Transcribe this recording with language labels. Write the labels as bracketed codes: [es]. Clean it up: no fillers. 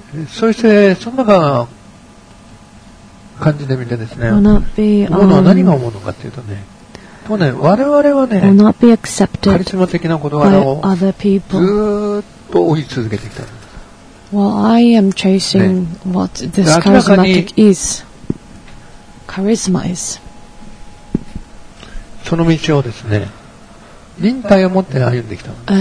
[ja] そしてそんな感じで見てですね、思うのは何が思うのかというとね、とね、我々はね、カリスマ的な言葉をずっと追い続けてきた。 [en] Well, I am chasing what this charismatic is. Charisma is. [ja] その道をですね、忍耐を持って歩んできたんです、ね。